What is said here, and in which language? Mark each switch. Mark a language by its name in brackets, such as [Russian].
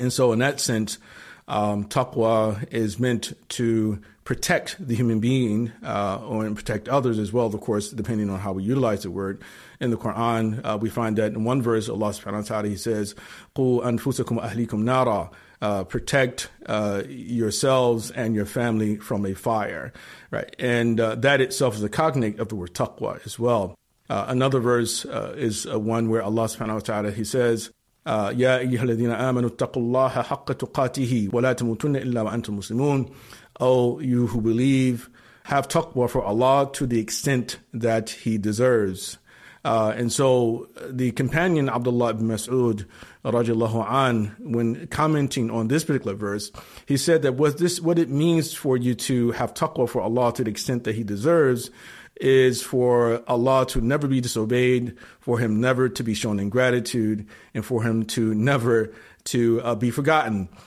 [English] And so in that sense, taqwa is meant to protect the human being and protect others as well, of course, depending on how we utilize the word. In the Quran, we find that in one verse, Allah subhanahu wa ta'ala, he says, [Arabic] قُوْ أَنفُسَكُمْ أَهْلِكُمْ نَارًا, [English] protect yourselves and your family from a fire. Right. And that itself is a cognate of the word taqwa as well. Another verse is one where Allah subhanahu wa ta'ala, he says, [Arabic] يَا أَيُّهَا الَّذِينَ آمَنُوا اتَّقُوا اللَّهَ حَقَّ تُقَاتِهِ وَلَا تَمُوتُنَّ إِلَّا وَأَنْتُمْ مُسْلِمُونَ. [English] O you who believe, have taqwa for Allah to the extent that he deserves. And so the companion Abdullah ibn Mas'ud, radiallahu an, when commenting on this particular verse, he said that what it means for you to have taqwa for Allah to the extent that he deserves is for Allah to never be disobeyed, for him never to be shown ingratitude, and for him to never to be forgotten.